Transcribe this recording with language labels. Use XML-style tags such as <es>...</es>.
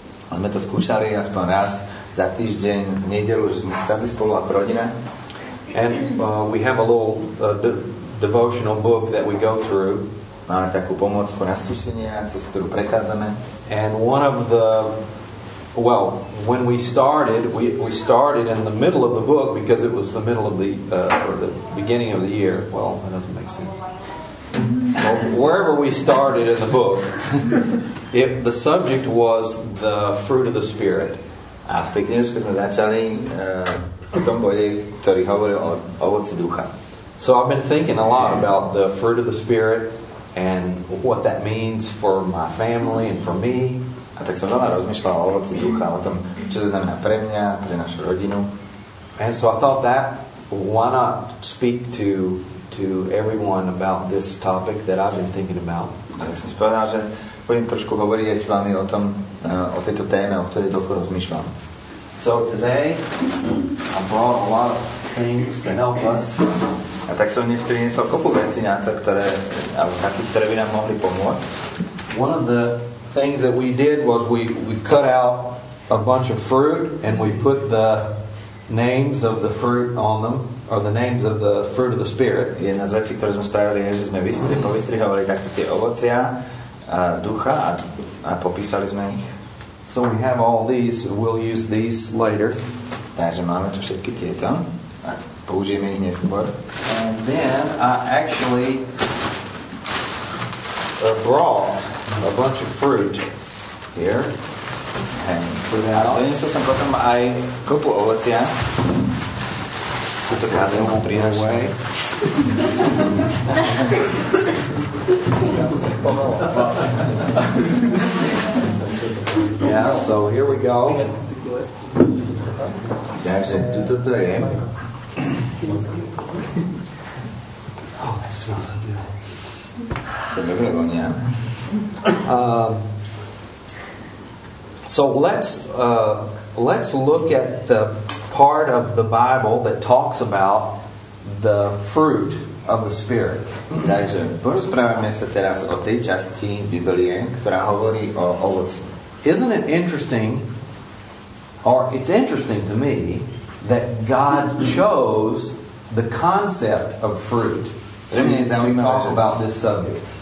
<sk>A sme to skúšali aspoň raz za týždeň, v nedeľu, že sme sadli spolu ako rodina.</sk> <en>And we have a little devotional book that we go through.</en> <sk>Máme takú pomoc po nastišenia, cez ktorú prechádzame.</sk> <en>And one of the, well, when we started in the middle of the book because it was the middle of the, or the beginning of the year. Well, that doesn't make sense. Well, wherever we started in the book, the subject was the fruit of the Spirit.</en> <sk>A v tej knižke sme začali v tom bode, ktorý hovoril o ovoci ducha.</sk> <en>So I've been thinking a lot about the fruit of the Spirit and what that means for my family and for me.</en> <sk>A tak som veľa rozmýšľal o ovoci ducha, o tom, čo to znamená pre mňa, pre našu rodinu.</sk> <en>And so I thought that, why not speak to everyone about this topic that I've been thinking about.</en> <sk>A tak som si povedal, že budem trošku hovoriť aj s vami o tom, o tejto téme, o ktorej toľko rozmýšľam.</sk> <en>So today, I brought a lot of things to help us.</en> <sk>A tak som dnes priniesol kopu vecí na to, ktoré by nám mohli pomôcť.</sk> <en>One of the things that we did was we cut out a bunch of fruit and we put the names of the fruit on them, or the names of the fruit of the Spirit.</en> <sk>Jedna z vecí, ktoré sme spravili, je, že sme povystrihovali takto tie ovocia ducha a popísali sme ich.</sk> <en>So we have all these, we'll use these later.</en> <sk>Takže máme tu všetky tieto. Použijeme ich neskôr.</sk> <en>And then I actually brought a bunch of fruit here. And put it out.</en> <sk>Donesol som potom aj kopu ovocia. Toto kázem mu prinášť. Way.</sk> <en>Yeah, so here we go.</en> <sk>Takže tu toto je.</sk> <en>Oh, that smells so good.</en> <sk>Dobre vonia.</sk> <en>So let's look at the part of the Bible that talks about the fruit of the Spirit.</en> <sk>Takže porozprávame sa teraz o tej časti Biblie, ktorá hovorí o ovoci.</sk> <en>Isn't it interesting, or it's interesting to me, that God chose the concept of fruit to talk about this subject.</en>